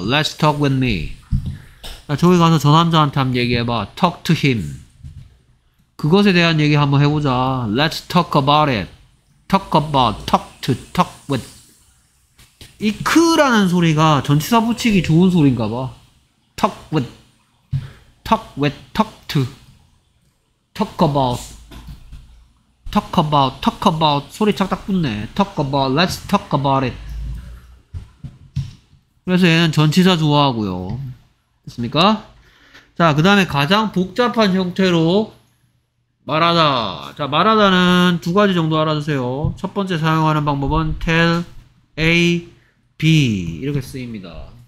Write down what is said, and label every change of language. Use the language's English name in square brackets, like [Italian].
[English] Let's talk with me. [Korean] 자, 저기 가서 저 남자한테 한번 얘기해봐. [English] Talk to him. [Korean] 그것에 대한 얘기 한번 해보자. [English] Let's talk about it. Talk about, talk to, talk with. [Korean] 이 크라는 소리가 전치사 붙이기 좋은 소리인가 봐. [English] Talk with, talk with, talk to, talk about, talk about, talk about. [Korean] 소리 착딱 붙네. [English] Talk about, let's talk about it. [Korean] 그래서 얘는 전치사 좋아하고요. 됐습니까? 자, 그 다음에 가장 복잡한 형태로 말하다. 자, 말하다는 두 가지 정도 알아주세요. 첫 번째 사용하는 방법은 tell A, B 이렇게 쓰입니다.